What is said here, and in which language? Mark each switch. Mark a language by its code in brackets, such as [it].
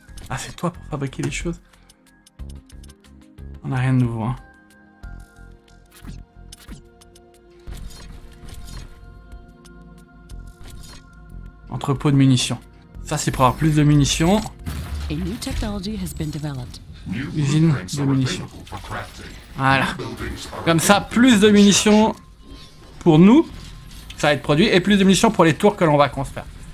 [fr] Ah, c'est toi pour fabriquer les choses. On a rien de nouveau, hein. Entrepôt de munitions. Ça, c'est pour avoir plus de munitions. [en] A new technology has been developed. [fr] Usine de munitions. Voilà. Comme ça, plus de munitions pour nous, ça va être produit, et plus de munitions pour les tours que l'on va construire.